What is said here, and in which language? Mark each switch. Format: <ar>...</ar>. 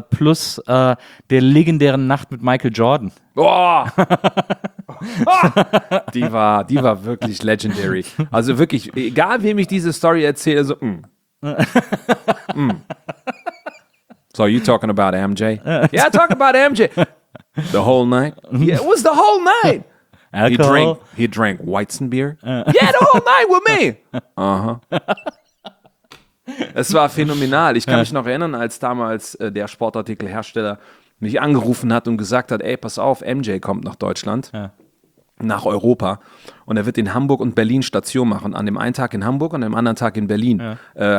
<de>plus der legendären Nacht mit Michael Jordan. Boah! die war wirklich legendary. Also wirklich, egal wem ich diese Story erzähle, so</de> <en>So you talking about MJ? Yeah, I talk about MJ. The whole night? Yeah, it was the whole night. Alcohol. He drank Weizenbier? Yeah, the whole night with me.</en> <de>Uh-huh. Es war phänomenal. Ich kann mich noch erinnern, als damals der Sportartikelhersteller mich angerufen hat und gesagt hat, ey, pass auf, MJ kommt nach Deutschland, nach Europa. Und er wird in Hamburg und Berlin Station machen. An dem einen Tag in Hamburg und an dem anderen Tag in Berlin. Ja.</de>